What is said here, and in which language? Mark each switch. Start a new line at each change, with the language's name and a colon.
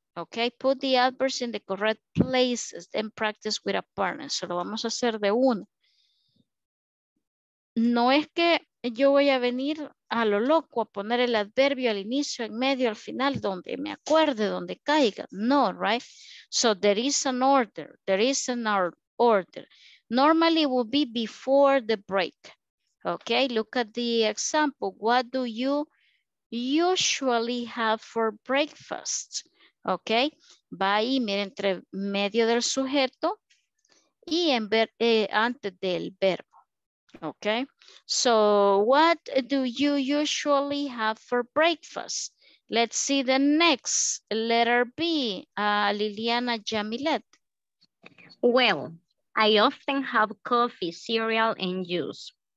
English: Okay, put the adverbs in the correct places and practice with a partner.
Spanish: So lo vamos a hacer de uno. No es que yo voy a venir a lo loco a poner el adverbio al inicio, en medio, al final, donde me acuerde, donde caiga.
English: No, right? So there is an order. There is an order. Normally it will be before the break. Okay, look at the example. What do you usually have for breakfast?
Spanish: Ok, va ahí, mire, entre medio del sujeto y en ver, antes del verbo.
English: Ok, so what do you usually have for breakfast? Let's see the next letter B, Liliana Jamilet. Well, I often have coffee, cereal, and juice.